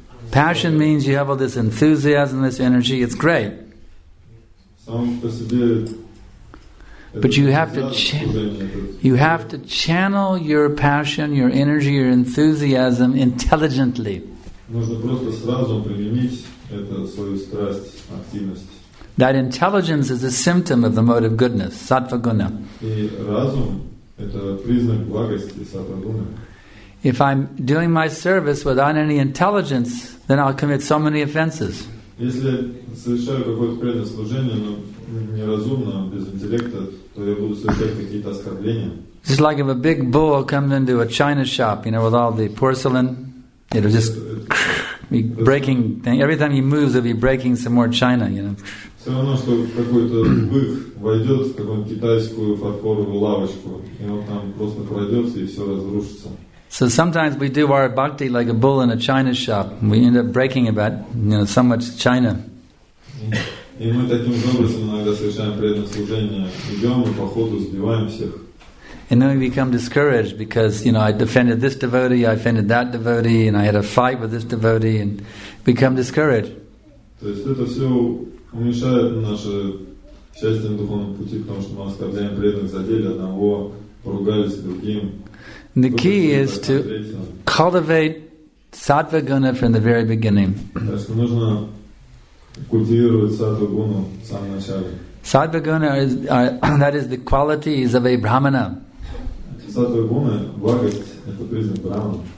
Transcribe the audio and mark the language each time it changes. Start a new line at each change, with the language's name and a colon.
English: Passion means you have all this enthusiasm, this energy. It's great. But you have to channel your passion, your energy, your enthusiasm intelligently.
Russian: Нужно просто сразу применить это, свою страсть, активность.
English: That intelligence is a symptom of the mode of goodness, sattva-guna.
Russian: И разум – это признак благости, sattva-guna.
English: If I'm doing my service without any intelligence, then I'll commit so many offenses.
Russian: Если совершаю какое-то преданное служение, но неразумно, без интеллекта, то я буду совершать какие-то оскорбления.
English: Just like if a big bull comes into a china shop, you know, with all the porcelain, it'll just be breaking thing. Every time he moves, it'll be breaking some more china, you know.
Russian: Все равно, что какой-то бык войдет в какую-нибудь китайскую фарфоровую лавочку, и он там просто пройдется, и все разрушится.
English: So sometimes we do our bhakti like a bull in a china shop. We end up breaking about, you know, so much china.
Russian: И мы таким образом иногда совершаем преданное служение. Идем и по ходу сбиваем всех.
English: And then we become discouraged because, you know, I defended this devotee, I offended that devotee, and I had a fight with this devotee, and become discouraged. The key is to cultivate sattva-guna from the very beginning.
Russian: культивирует сатвагуну в самом начале.
English: Сатвагуна that is the qualities of a brahmana.
Russian: Сатвагуна благость это признак брахмана.